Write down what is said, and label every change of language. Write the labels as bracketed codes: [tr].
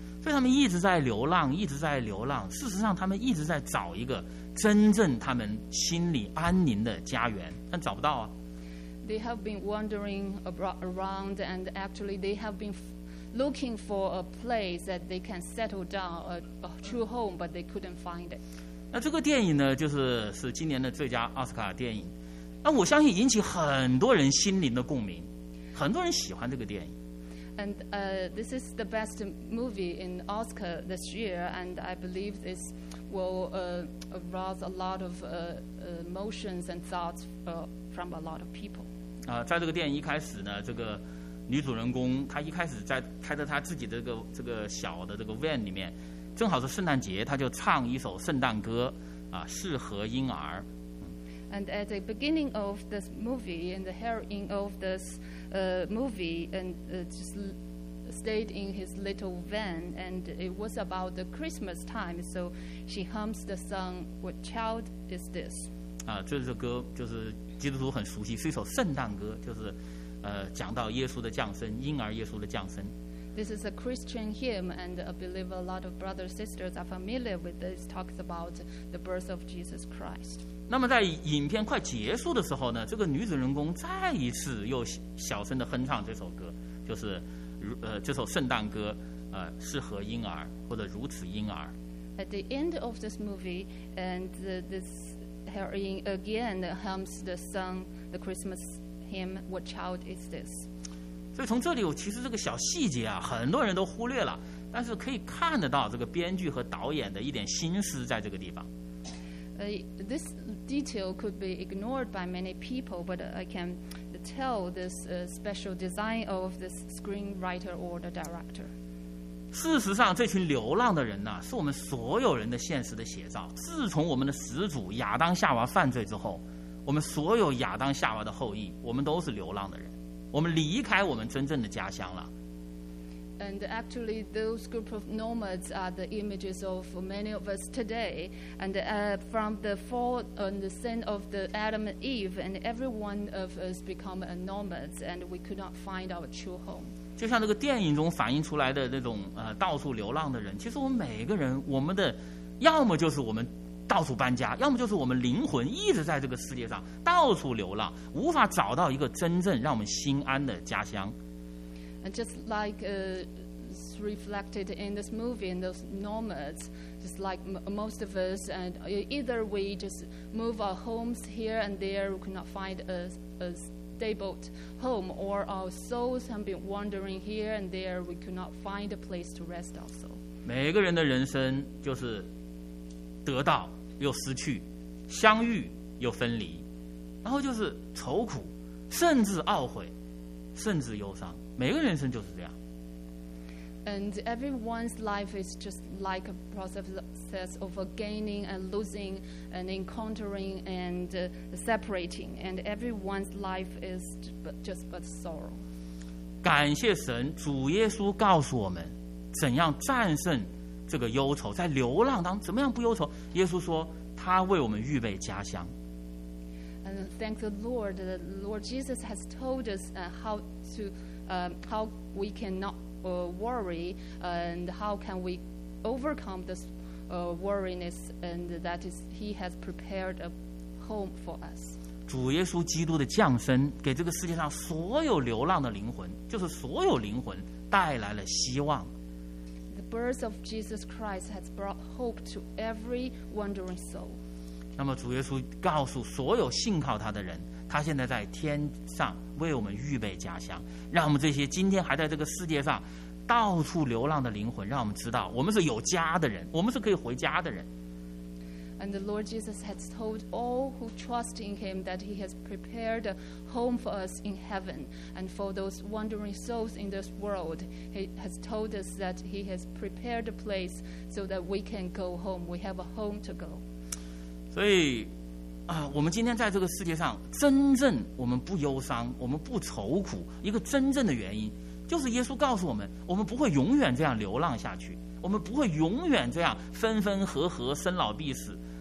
[zh] 所以他们一直在流浪，一直在流浪。事实上，他们一直在找一个真正他们心里安宁的家园，但找不到啊。 [en] They have been wandering around, and actually, they have been looking for a place that they can settle down, a true home, but they couldn't find it. [zh] 那这个电影呢，就是今年的最佳奥斯卡电影。那我相信引起很多人心灵的共鸣，很多人喜欢这个电影。 [en] And this is the best movie in Oscar this year, and I believe this will arouse a lot of emotions and thoughts from a lot of people. [zh] 在这个电影一开始呢，这个女主人公她一开始在开着她自己的这个小的这个 van 里面，正好是圣诞节，她就唱一首圣诞歌啊，适合婴儿。 [en] And at the beginning of this movie, and the heroine of this movie, and just stayed in his little van, and it was about the Christmas time, so she hums the song, "What child is this?" [zh] 这首歌就是基督徒很熟悉，是一首圣诞歌，就是讲到耶稣的降生，婴儿耶稣的降生。 [en] This is a Christian hymn, and I believe a lot of brothers and sisters are familiar with this. Talks about the birth of Jesus Christ. [zh] 那么在影片快结束的时候呢，这个女主人公再一次又小声的哼唱这首歌，就是这首圣诞歌，适合婴儿或者如此婴儿。 [en] At the end of this movie, and this heroine again hums the song, the Christmas hymn, "What child is this?" [zh] 所以从这里，我其实这个小细节啊，很多人都忽略了，但是可以看得到这个编剧和导演的一点心思在这个地方。 [en] This detail could be ignored by many people, but I can tell this special design of this screenwriter or the director. [zh] 事实上，这群流浪的人呢，是我们所有人的现实的写照。自从我们的始祖亚当夏娃犯罪之后，我们所有亚当夏娃的后裔，我们都是流浪的人。我们离开我们真正的家乡了。 [en] And actually, those group of nomads are the images of many of us today. And from the fall and the sin of the Adam and Eve, and every one of us become a nomads, and we could not find our true home. [zh] 就像这个电影中反映出来的那种到处流浪的人，其实我们每个人，我们的要么就是我们到处搬家，要么就是我们灵魂一直在这个世界上到处流浪，无法找到一个真正让我们心安的家乡。 [en] Just like reflected in this movie, in those nomads, just like most of us, and either we just move our homes here and there, we cannot find a stable home, or our souls have been wandering here and there, we cannot find a place to rest also. [zh] 每个人的人生就是得到又失去，相遇又分离，然后就是愁苦，甚至懊悔，甚至忧伤。每个人生就是这样。 [en] And everyone's life is just like a process of gaining and losing, and encountering and separating. And everyone's life is just but sorrow. [zh] 感谢神，主耶稣告诉我们怎样战胜这个忧愁，在流浪当怎么样不忧愁？耶稣说，他为我们预备家乡。 [en] And thank the Lord, the Lord Jesus has told us how to, how we cannot worry, and how can we overcome this worryness, and that is He has prepared a home for us. [zh] 主耶稣基督的降生，给这个世界上所有流浪的灵魂，就是所有灵魂，带来了希望。 [en] The birth of Jesus Christ has brought hope to every wandering soul. [zh] 那么主耶稣告诉所有信靠他的人，他现在在天上为我们预备家乡，让我们这些今天还在这个世界上到处流浪的灵魂，让我们知道我们是有家的人，我们是可以回家的人。 [en] And the Lord Jesus has told all who trust in Him that He has prepared a home for us in heaven. And for those wandering souls in this world, He has told us that He has prepared a place so that we can go home. We have a home to go. [zh] 所以，我们今天在这个世界上，真正我们不忧伤，我们不愁苦，一个真正的原因，就是耶稣告诉我们，我们不会永远这样流浪下去。我们不会永远这样分分合合、生老病死，